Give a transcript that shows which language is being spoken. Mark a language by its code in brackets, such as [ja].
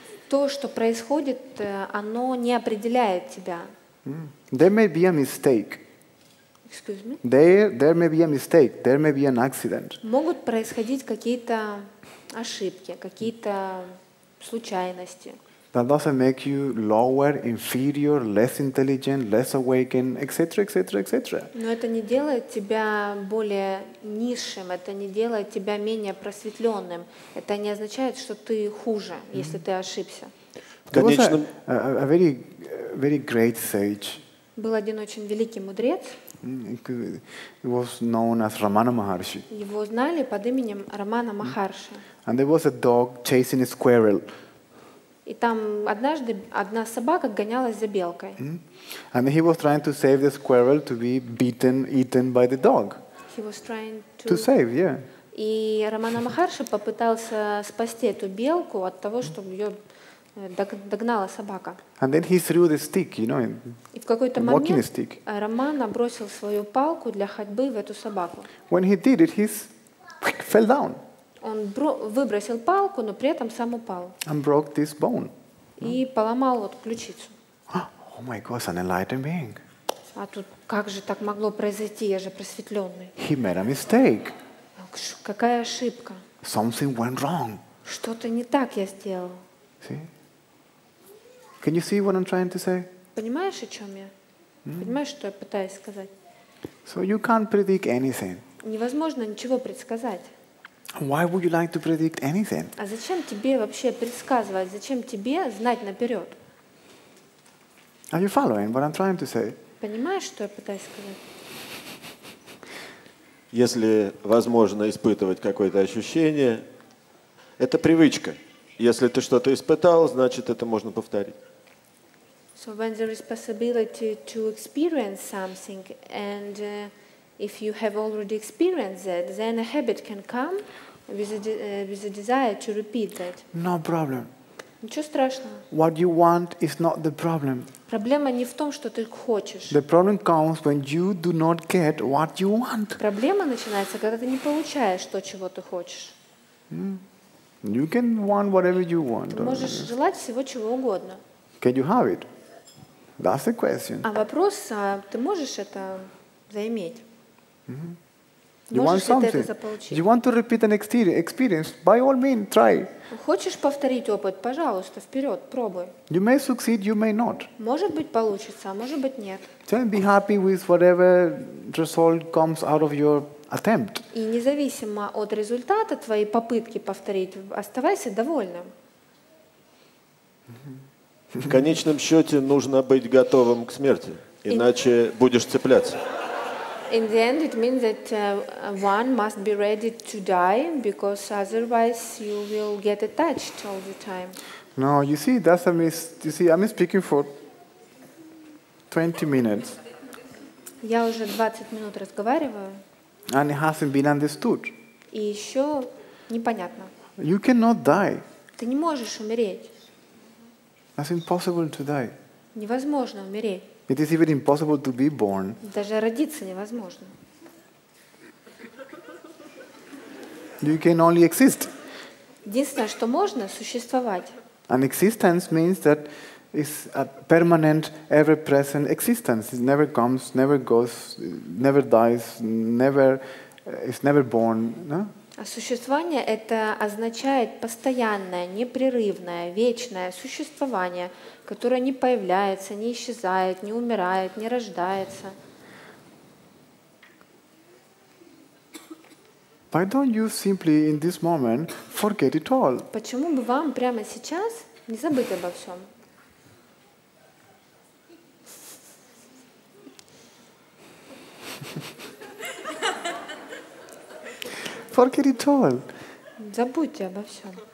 [ru] То, что происходит, оно не определяет тебя. [en] There may be a mistake. Excuse me? There may be a mistake. There may be an accident. [ru] Могут происходить какие-то ошибки, какие-то случайности. [en] That doesn't make you lower, inferior, less intelligent, less awakened, etc., etc., etc. [ru] Но это не делает тебя более низшим, это не делает тебя менее просветленным. Это не означает, что ты хуже, mm-hmm. если ты ошибся. [en] A very, very great sage. [ru] Был один очень великий мудрец. [en] He was known as Ramana Maharshi. [ru] Его знали под именем Рамана Махарши. [en] And there was a dog chasing a squirrel. [ru] И там однажды одна собака гонялась за белкой. [en] And he was trying to save the squirrel to be beaten, eaten by the dog. He was trying to save, yeah. [ru] И Рамана Махарши попытался спасти эту белку от того, чтобы ее догнала собака. [en] And then he threw the stick, you know, walking stick. [ru] И в какой-то момент Рамана бросил свою палку для ходьбы в эту собаку. [en] When he did it, he fell down. [ru] Он выбросил палку, но при этом сам упал. [en] And broke this bone. [ru] И поломал вот ключицу. [en] Oh my God, an enlightened being. [ru] А тут как же так могло произойти? Я же просветленный. [en] He made a mistake. [ru] Какая ошибка? [en] Something went wrong. [ru] Что-то не так я сделал. [en] See? Can you see what I'm trying to say? [ru] Понимаешь, о чем я? Понимаешь, что я пытаюсь сказать? [en] So you can't predict anything. [ru] Невозможно ничего предсказать. [en] Why would you like to predict anything? [ru] А зачем тебе вообще предсказывать? Зачем тебе знать наперед? [en] Are you following what I'm trying to say? [ru] Понимаешь, что я пытаюсь сказать? Если возможно испытывать какое-то ощущение, это привычка. Если ты что-то испытал, значит, это можно повторить. [en] So when there is possibility to experience something and if you have already experienced that, then a habit can come with a desire to repeat that. No problem. [ru] Ничего страшного. [en] What you want is not the problem. [ru] Проблема не в том, что ты хочешь. [en] The problem comes when you do not get what you want. [ru] Проблема начинается, когда ты не получаешь то, чего ты хочешь. [en] You can want whatever you want. [ru] Ты можешь желать всего, чего угодно. [en] Can you have it? That's the question. [ru] А вопрос, а ты можешь это заиметь? [en] Mm-hmm. You want something? You want to repeat an experience? By all means, try. [ru] Хочешь повторить опыт? Пожалуйста, вперед, пробуй. [en] You may succeed, you may not. [ru] Может быть получится, а может быть нет. [en] Then be happy with whatever result comes out of your attempt. [ru] И независимо от результата твоей попытки повторить, оставайся довольным. В конечном счете нужно быть готовым к смерти, иначе будешь цепляться. [en] In the end, it means that one must be ready to die because otherwise you will get attached all the time. No, you see, that's a mis. You see, I'm speaking for 20 minutes. [ru] Я уже 20 минут разговариваю. [en] And it hasn't been understood. [ru] И еще непонятно. [en] You cannot die. [ru] Ты не можешь умереть. [en] It's impossible to die. [ru] Невозможно умереть. [en] It is even impossible to be born. [ru] Даже родиться невозможно. [en] You can only exist. [ru] Единственное, что можно, существовать. [en] An existence means that it's a permanent, ever-present existence. It never comes, never goes, never dies, never, it's never born. No? [ru] А существование — это означает постоянное, непрерывное, вечное существование, которое не появляется, не исчезает, не умирает, не рождается. [en] Why don't you simply in this moment forget it all? [ru] Почему бы вам прямо сейчас не забыть обо всем? [en] Forget it all. [ru] Забудьте обо всем.